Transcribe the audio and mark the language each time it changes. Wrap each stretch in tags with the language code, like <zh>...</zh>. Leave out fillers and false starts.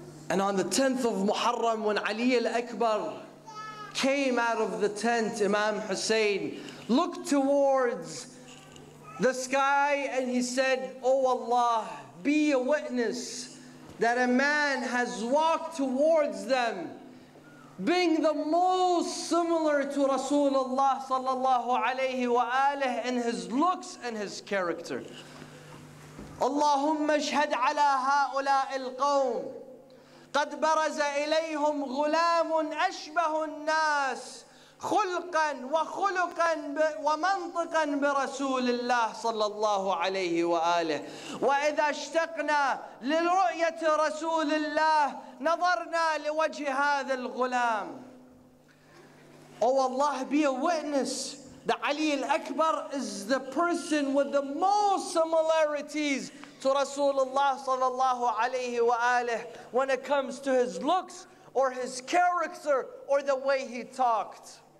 <en>And on the 10th of Muharram, when Ali al-Akbar came out of the tent, Imam Hussein looked towards the sky and he said, oh Allah, be a witness that a man has walked towards them being the most similar to Rasulullah sallallahu alayhi wa alayhi in his looks and his character.</en> <ar>Allahumma ashhad ala ha'ula'i al-qawm قد برز إليهم غلام أشبه الناس خلقا وخلقا ومنطقا برسول الله صلى الله عليه وآله وإذا اشتقنا لرؤية رسول الله نظرنا لوجه هذا الغلام.</ar> <en>Oh Allah, be a witness that Ali al-Akbar is the person with the most similarities to Rasulullah sallallahu alayhi wa alayhi when it comes to his looks or his character or the way he talked.</en>